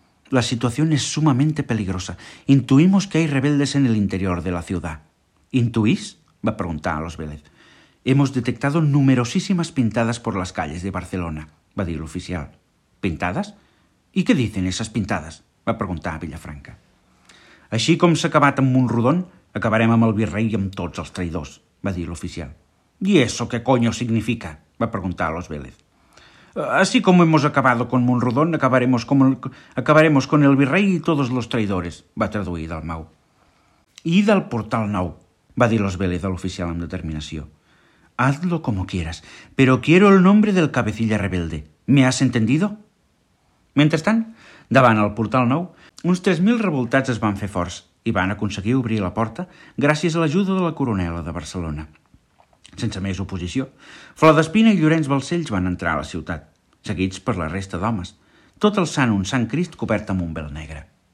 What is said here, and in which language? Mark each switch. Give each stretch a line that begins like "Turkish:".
Spanish: La situación es sumamente peligrosa. Intuimos que hay rebeldes en el interior de la ciudad. ¿Intuís?,
Catalan: va preguntar a los Vélez.
Spanish: Hemos detectado numerosísimas pintadas por las calles de Barcelona,
Catalan: va dir l'oficial.
Spanish: ¿Pintadas? ¿Y qué dicen esas pintadas?,
Catalan: va preguntar a Villafranca. Així com s'ha acabat amb Montrodon, acabarem amb el virrei i amb tots els traïdors, va dir l'oficial.
Spanish: ¿Y eso qué coño significa?,
Catalan: va preguntar a los Vélez.
Spanish: Así como hemos acabado con Montrodon, acabaremos con el virrei y todos los traïdors,
Catalan: va traduir Dalmau. I del Portal Nou, va dir los Vélez a l'oficial amb determinació.
Spanish: Hazlo como quieras, pero quiero el nombre del cabecilla rebelde. ¿Me has entendido?
Catalan: Mentrestant, davant el Portal Nou, uns 3.000 revoltats es van fer forts i van aconseguir obrir la porta gràcies a l'ajuda de la coronela de Barcelona. Sense més oposició, Flor d'Espina i Llorenç Balcells van entrar a la ciutat, seguits per la resta d'homes, tot el sant un sant Crist cobert amb un vel negre.